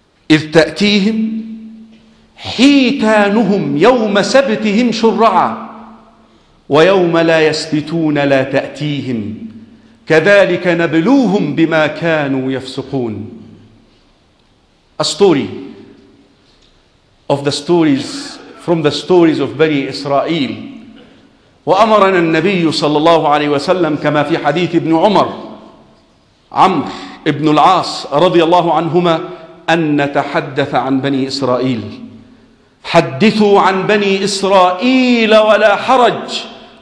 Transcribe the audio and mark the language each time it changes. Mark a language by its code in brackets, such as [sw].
[ar] إذ تأتيهم حيتانهم يوم سبتهم شرعا ويوم لا يسبتون لا تأتيهم كذلك نبلوهم بما كانوا يفسقون. [en] A story of the stories from the stories of Bani Israel. [ar] وأمرنا النبي صلى الله عليه وسلم كما في حديث ابن عمر عمرو ابن العاص رضي الله عنهما أن نتحدث عن بني إسرائيل. حدثوا عن بني إسرائيل ولا حرج.